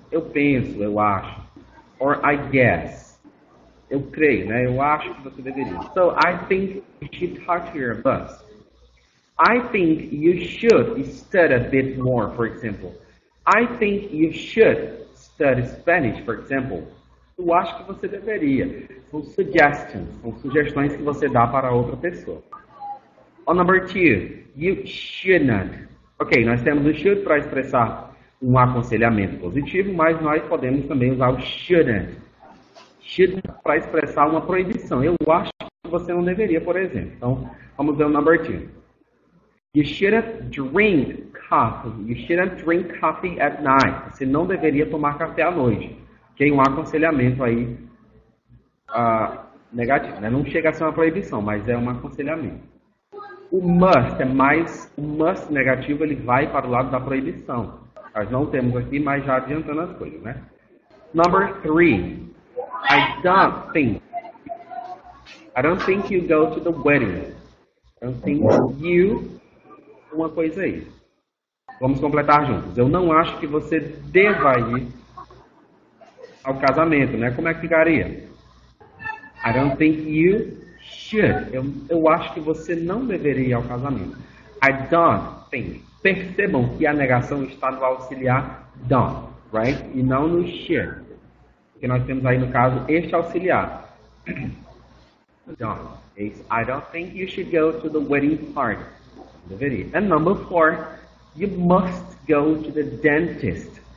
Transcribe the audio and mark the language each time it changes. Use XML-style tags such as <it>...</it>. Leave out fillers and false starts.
<pt>Eu penso, eu acho.</pt> <en>Or I guess.</en> <pt>Eu creio, né? Eu acho que você deveria.</pt> <en>So, I think you should talk to your boss. I think you should study a bit more, for example. I think you should study Spanish, for example.</en> <pt>Eu acho que você deveria. São suggestions. São sugestões que você dá para outra pessoa.</pt> <en>On number two. You shouldn't.</en> <pt>Ok, nós temos o should para expressar um aconselhamento positivo, mas nós podemos também usar o shouldn't. Should para expressar uma proibição. Eu acho que você não deveria, por exemplo. Então, vamos ver o</pt> <en>number two. You shouldn't drink coffee. You shouldn't drink coffee at night.</en> <pt>Você não deveria tomar café à noite. Tem um aconselhamento aí negativo. Né? Não chega a ser uma proibição, mas é um aconselhamento. O must é mais... O must negativo, ele vai para o lado da proibição. Nós não temos aqui, mas já adiantando as coisas, né?</pt> <en>Number three. I don't think you go to the wedding. I don't think you...</en> <pt>Uma coisa aí. Vamos completar juntos. Eu não acho que você deva ir ao casamento, né? Como é que ficaria?</pt> <en>I don't think you should.</en> <pt>Eu acho que você não deveria ir ao casamento.</pt> <en>I don't think.</en> <pt>Percebam que a negação está no auxiliar don't, right? E não no should. Que nós temos aí, no caso, este auxiliar.</pt> <en>Don't. I don't think you should go to the wedding party. Deveria. And number four, you must go to the dentist.</en>